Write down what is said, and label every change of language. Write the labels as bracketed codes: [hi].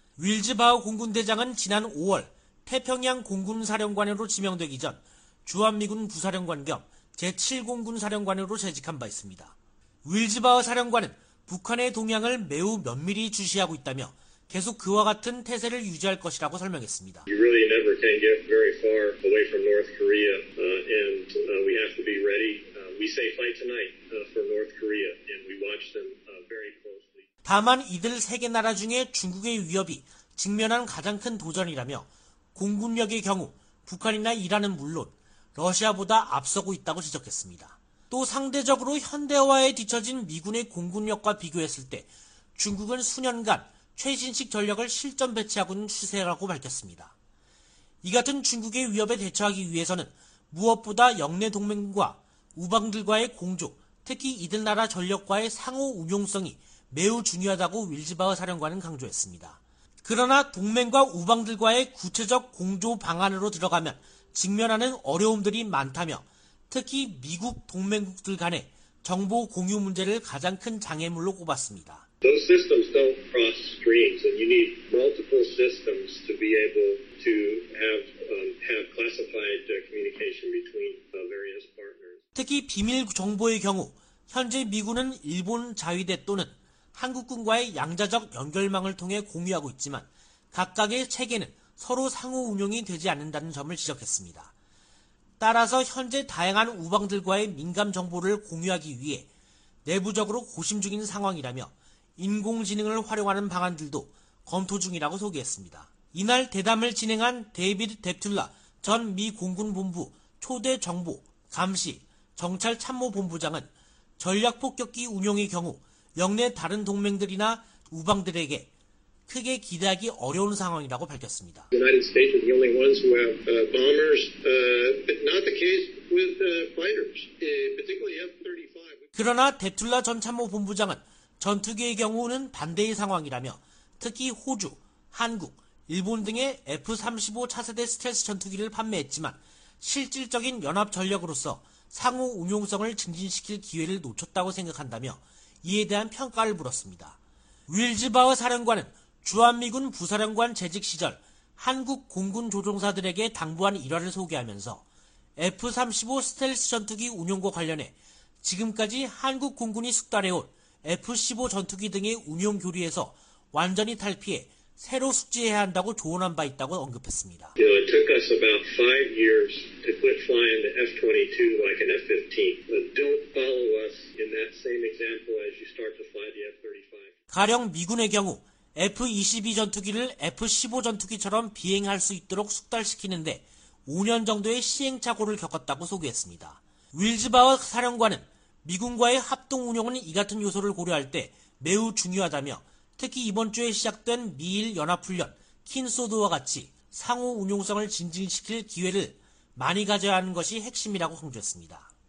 [ko] 윌즈바어 공군대장은 지난 5월 태평양 공군사령관으로 지명되기 전 주한미군 부사령관 겸 제7공군사령관으로 재직한 바 있습니다. 윌즈바어 사령관은 북한의 동향을 매우 면밀히 주시하고 있다며 계속 그와 같은 태세를 유지할 것이라고 설명했습니다. [en] You really never can get very far away from North Korea and we have to be ready. We say fight tonight for North Korea and we watch them very closely. [ko] 다만 이들 세 개 나라 중에 중국의 위협이 직면한 가장 큰 도전이라며 공군력의 경우 북한이나 이란은 물론 러시아보다 앞서고 있다고 지적했습니다. 또 상대적으로 현대화에 뒤처진 미군의 공군력과 비교했을 때 중국은 수년간 최신식 전력을 실전 배치하고는 추세라고 밝혔습니다. 이 같은 중국의 위협에 대처하기 위해서는 무엇보다 역내 동맹과 우방들과의 공조, 특히 이들 나라 전력과의 상호 운용성이 매우 중요하다고 윌즈바흐 사령관은 강조했습니다. 그러나 동맹과 우방들과의 구체적 공조 방안으로 들어가면 직면하는 어려움들이 많다며 특히 미국 동맹국들 간의 정보 공유 문제를 가장 큰 장애물로 꼽았습니다. [en] Those systems don't cross streams and you need multiple systems to be able to have classified communication between various partners. [ko] 특히 비밀 정보의 경우 현재 미군은 일본 자위대 또는 한국군과의 양자적 연결망을 통해 공유하고 있지만 각각의 체계는 서로 상호 운용이 되지 않는다는 점을 지적했습니다. 따라서 현재 다양한 우방들과의 민감 정보를 공유하기 위해 내부적으로 고심 중인 상황이라며 인공지능을 활용하는 방안들도 검토 중이라고 소개했습니다. 이날 대담을 진행한 데이비드 데툴라 전 미 공군본부 초대 정보, 감시, 정찰 참모 본부장은 전략폭격기 운용의 경우 영내 다른 동맹들이나 우방들에게 크게 기대하기 어려운 상황이라고 밝혔습니다. [en] United States are the only ones who have bombers, but not the case with fighters, particularly F-35. [ko] 그러나 데툴라 전 참모 본부장은 전투기의 경우는 반대의 상황이라며 특히 호주, 한국, 일본 등의 F-35 차세대 스텔스 전투기를 판매했지만 실질적인 연합 전력으로서 상호 운용성을 증진시킬 기회를 놓쳤다고 생각한다며 이에 대한 평가를 물었습니다. 윌즈바흐 사령관은 주한미군 부사령관 재직 시절 한국 공군 조종사들에게 당부한 일화를 소개하면서 F-35 스텔스 전투기 운용과 관련해 지금까지 한국 공군이 숙달해온 F-15 전투기 등의 운용 교류에서 완전히 탈피해 새로 숙지해야 한다고 조언한 바 있다고 언급했습니다. [en] You know, it took us about 5 years to quit flying the F-22 like an F-15. But don't follow us in that same example as you start to fly the F-35. [ko] 가령 미군의 경우 F-22 전투기를 F-15 전투기처럼 비행할 수 있도록 숙달시키는데 5년 정도의 시행착오를 겪었다고 소개했습니다. 윌즈바흐 사령관은 미군과의 합동 운용은 이 같은 요소를 고려할 때 매우 중요하다며 특히 이번 주에 시작된 미일 연합훈련 킨소드와 같이 상호 운용성을 증진시킬 기회를 많이 가져야 하는 것이 핵심이라고 강조했습니다.